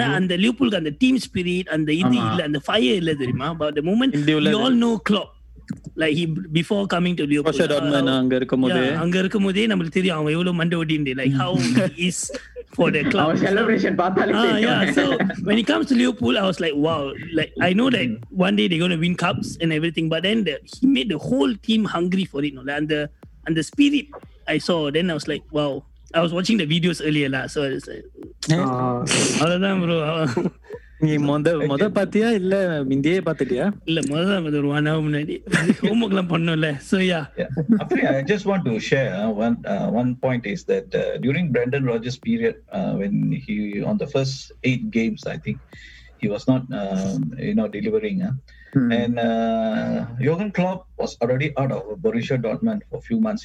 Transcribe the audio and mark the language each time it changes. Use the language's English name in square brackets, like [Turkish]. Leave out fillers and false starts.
[English] And the Liverpool and the team spirit and the fire தெரியுமா but the moment we all know Klopp like he before coming to Liverpool [Tamil] அங்க இருக்கும்போதே நமக்கு தெரியும் அவன் எவ்வளவு மண்டை ஓட்டிண்டே [English] like how he is for the club celebration yeah so when he comes to Liverpool I was like wow like I know that one day they're going to win cups and everything but then he made the whole team hungry for it you know? And the spirit I saw then I was like wow I was watching the videos earlier la, so I was like other than bro [Tamil] நீ மொத மொத பாத்தியா இல்ல மிந்தியே பாத்துட்டியா இல்ல மொத ஒரு 1 hour முன்னாடி homework எல்லாம் பண்ணோம்ல சோ யா [English] அப்படியே I just want to share one point is that during Brendan Rodgers period when he on the first 8 games I think he was not delivering and Jurgen Klopp was already out of Borussia Dortmund for a few months.